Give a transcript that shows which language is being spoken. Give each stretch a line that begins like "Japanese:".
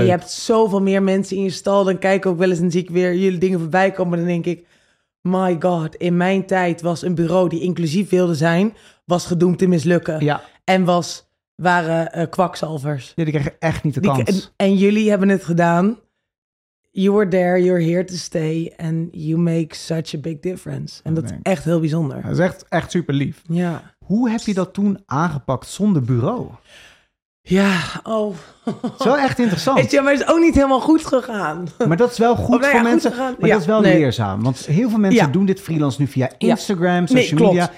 Dutch: En je hebt zoveel meer mensen in je stal. Dan kijk ik ook wel eens en zie ik weer jullie dingen voorbij komen. Dan denk ik,
English: my god,
Dutch: in mijn tijd was een bureau die inclusief wilde zijn, was gedoemd te mislukken. Ja. En was waren kwakzalvers. Ja, die kregen echt niet de kans. En jullie hebben het gedaan.
English: You were there, you're here to stay. And you make such a big difference.
Dutch: En dat is echt heel bijzonder. Dat is echt super lief. Ja. Hoe heb je dat toen aangepakt zonder bureau? Ja, oh. Zo echt interessant. Ja, maar het is ook niet helemaal goed gegaan. Maar dat is wel goed voor mensen. Goed maar ja, dat is wel leerzaam. Want heel veel mensen doen dit freelance nu via Instagram, social media.